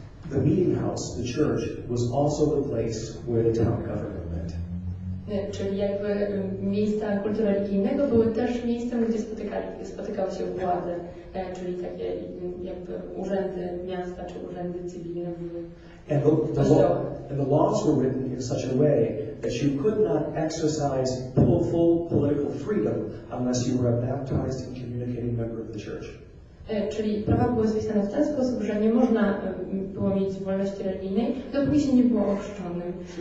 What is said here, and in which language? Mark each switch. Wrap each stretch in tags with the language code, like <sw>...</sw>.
<en>The meeting house, the church, was also the place where the town government met.</en> <pl>Czyli jakby miejsca kultury religijnego były też miejscem, gdzie spotykały się władze, czyli takie jakby urzędy miasta czy urzędy cywilne były.</pl> <en>And the laws were written in such a way that you could not exercise full political freedom unless you were a baptized and communicating member of the church.</en> <pl>Czyli prawa były zapisane w ten sposób, że nie można było mieć wolności religijnej, dopóki się nie było ochrzczonym.</pl>